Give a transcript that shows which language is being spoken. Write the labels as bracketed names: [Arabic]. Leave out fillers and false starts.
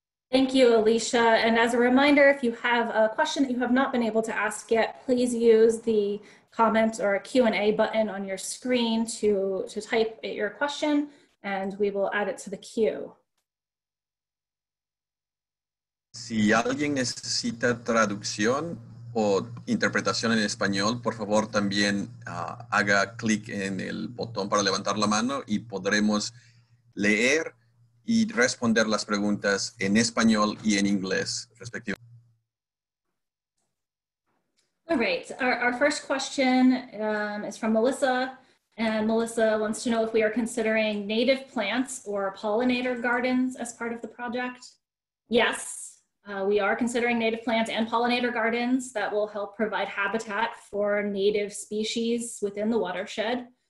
[English] Thank you, Alicia. And as a reminder, if you have a question that you have not been able to ask yet, please use the comments or Q&A button on your screen to type it your question, and we will add it to the queue. [Spanish] Si alguien necesita traducción o interpretación en español, por favor también haga clic en el botón para levantar la mano y podremos leer y responder las preguntas en español y en inglés, respectivamente. [English] All right, our first question is from Melissa, and Melissa wants to know if we are considering native plants or pollinator gardens as part of the project. Yes. We are considering native plants and pollinator gardens that will help provide habitat for native species within the watershed.